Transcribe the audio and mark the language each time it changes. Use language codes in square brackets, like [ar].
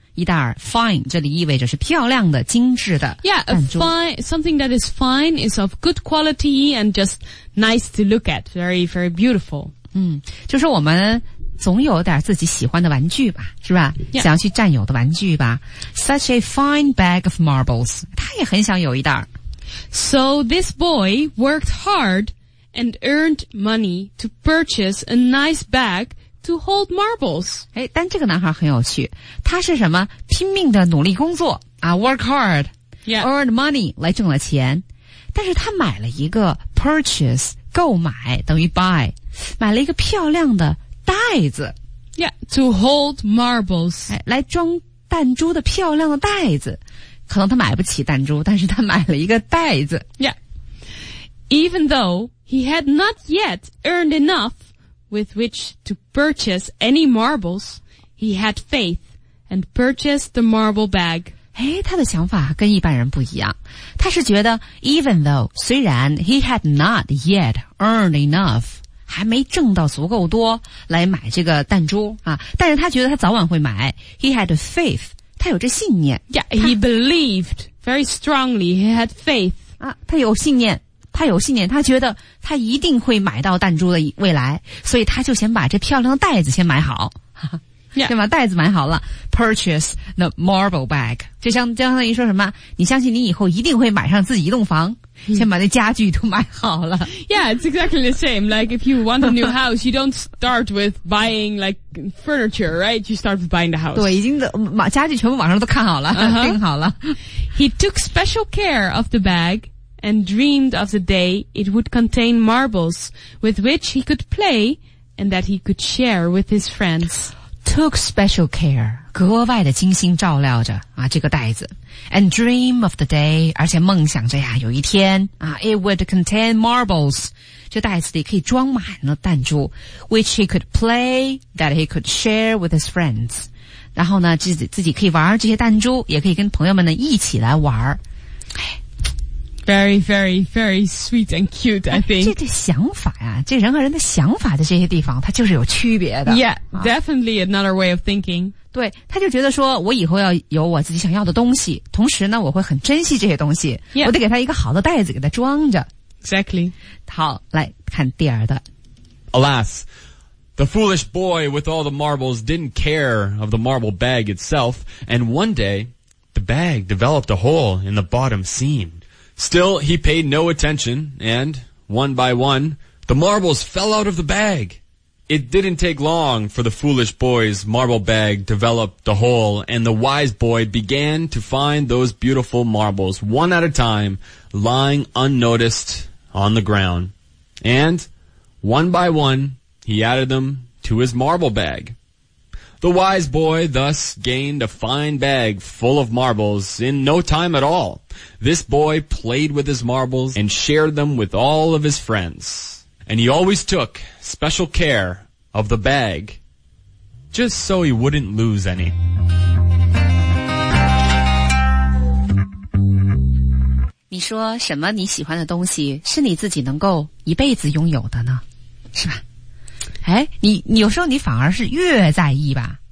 [zh] 一袋 fine 这里意味着是漂亮的精致的弹珠 [en] Yeah, fine, something that is fine is of good quality and just nice to look at, very, very beautiful. [zh] 就是我们总有点自己喜欢的玩具吧是吧、 [en] yeah. [zh] 想要去占有的玩具吧 [en] Such a fine bag of marbles, [zh] 他也很想有一袋 [en] So this boy worked hard and earned money to purchase a nice bag,To hold marbles. [zh] 诶但这个男孩很有趣。他是什么拼命的努力工作啊 , [en] work hard,、 yeah. earn money, [zh] 来挣了钱。但是他买了一个 purchase, 购买等于 buy, 买了一个漂亮的袋子。 [en] Yeah, to hold marbles. [zh] 来装弹珠的漂亮的袋子。可能他买不起弹珠但是他买了一个袋子。 [en] Yeah. Even though he had not yet earned enough,With which to purchase any marbles, he had faith and purchased the marble bag. [zh] 诶他的想法跟一般人不一样。他是觉得 [en] even though, [zh] 虽然 [en] he had not yet earned enough, [zh] 还没挣到足够多来买这个弹珠啊但是他觉得他早晚会买。 [en] He had faith, [zh] 他有这信念。 [en] Yeah, he believed very strongly, he had faith. [zh] 啊他有信念。他有信念他觉得他一定会买到弹珠的未来所以他就先把这漂亮的袋子先买好、 [en] yeah. [zh] 先把袋子买好了 [en] purchase the marble bag [zh] 就相当于说什么你相信你以后一定会买上自己一栋房、mm. 先把那家具都买好了 [en] Yeah, it's exactly the same like if you want a new house you don't start with buying like furniture, right? You start with buying the house [zh] 对已经家具全部网上都看好了订、好了 [en] He took special care of the bagAnd dreamed of the day it would contain marbles with which he could play and that he could share with his friends. Took special care, [zh] 格外的精心照料着啊这个袋子。 [en] And dream of the day, [zh] 而且梦想着呀有一天啊 [en] it would contain marbles. [zh] 这袋子里可以装满了弹珠 [en] which he could play, that he could share with his friends. [zh] 然后呢自己可以玩这些弹珠也可以跟朋友们呢一起来玩。 [en] Very, very, very sweet and cute, I think. [zh] 这想法呀，这人和人的想法的这些地方，它就是有区别的。 [en] Yeah, definitely another way of thinking. [zh] 对，他就觉得说，我以后要有我自己想要的东西，同时呢，我会很珍惜这些东西。 [en] Yeah. [zh] 我得给他一个好的袋子给他装着。 [en] Exactly. [zh] 好，来看第二的。 [en] Alas, the foolish boy with all the marbles didn't care of the marble bag itself, and one day, the bag developed a hole in the bottom seam. Still, he paid no attention, and, one by one, the marbles fell out of the bag. It didn't take long for the foolish boy's marble bag developed the hole, and the wise boy began to find those beautiful marbles, one at a time, lying unnoticed on the ground. And, one by one, he added them to his marble bag. The wise boy thus gained a fine bag full of marbles in no time at all. This boy played with his marbles and shared them with all of his friends. And he always took special care of the bag, just so he wouldn't lose any. [zh] 你说什么你喜欢的东西是你自己能够一辈子拥有的呢？是吧？哎，你有时候你反而是越在意吧？